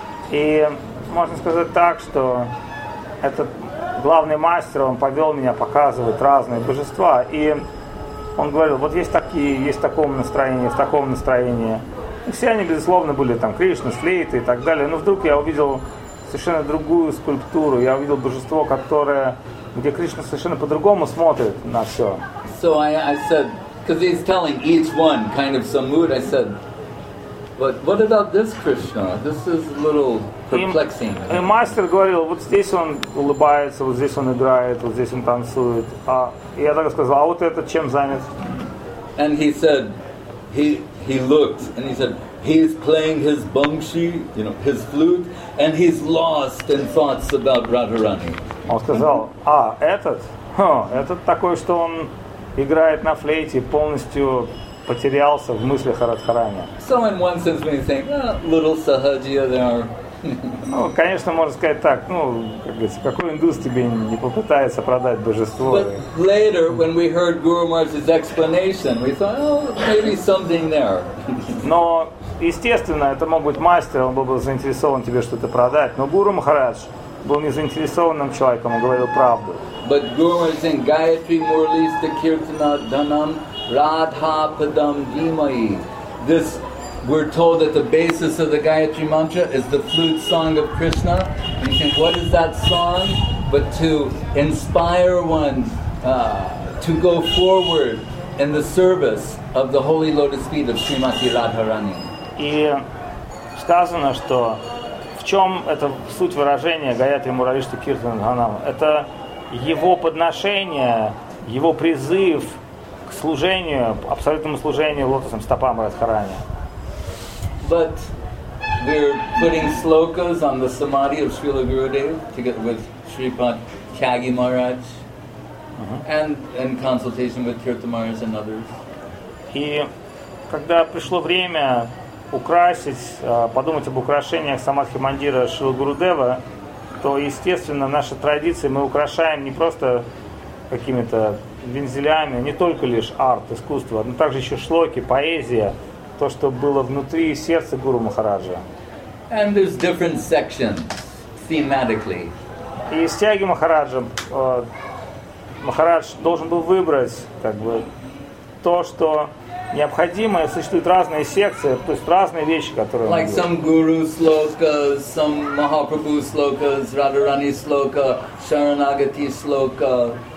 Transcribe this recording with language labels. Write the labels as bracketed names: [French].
[Russian] И можно сказать так, что этот главный мастер, он повел меня показывать разные божества, и он говорил, вот есть такие, есть в таком настроении. И все они, безусловно, были там Кришна, флейты и так далее. Но вдруг я увидел совершенно другую скульптуру. Я увидел божество, которое где Кришна совершенно по-другому смотрит на все. [English] So I said, because he's telling each one kind of some mood, I said, but what about this Krishna? This is a little perplexing. [Russian] И мастер говорил, вот здесь он улыбается, вот здесь он играет, вот здесь он танцует. А я так сказал, а вот этот чем занят? [English] And he said, he looked, and he said, he's playing his bangshi, you know, his flute, and he's lost in thoughts about Radharani. [Russian] Он сказал, а, этот? Ха, этот такой, что он играет на флейте, полностью потерялся в мыслях о Радхаране. [English] So in one sense when you think, little sahajiya there. [Russian] Ну, конечно, можно сказать так, ну, как говорится, какой индус тебе не попытается продать божество? [English] But later, when we heard Guru Maharaj's explanation, we thought, maybe something there. [Russian] Но, естественно, это мог быть мастер, он был заинтересован тебе что-то продать, но Гуру Махарадж был незаинтересованным человеком, он говорил правду. [English] But Guru Maharaj said, Gayatri Murlista Kirtana Dhanam Radha Padam Dhimai. This, we're told that the basis of the Gayatri Mantra is the flute song of Krishna. And you think, what is that song? But to inspire one to go forward in the service of the holy lotus feet of Srimati Radharani. [Russian] И сказано, что в чем это суть выражения Гаятри Муралишта Киртана Дханам? Это его подношение, его призыв к служению, абсолютному служению лотосным стопам Радхарани. [English] But we're putting slokas on the samadhi of Srila Gurudev together with Shripad Tyagi Maharaj and in consultation with Kirtamaras and others. [Russian] И когда пришло время украсить, подумать об украшениях самадхи мандира Шрилы Гурудева, то, естественно, наши традиции мы украшаем не просто какими-то вензелями, не только лишь арт, искусство, но также еще шлоки, поэзия, то, что было внутри сердца Гуру Махараджа. [English] And there's different sections, thematically. [Russian] И с тяги Махараджа Махарадж должен был выбрать как бы то, что необходимо. Существуют разные секции, то есть разные вещи, которые... [English] Like some guru slokas, some Mahaprabhu slokas, Radharani slokas, Sharanagati slokas.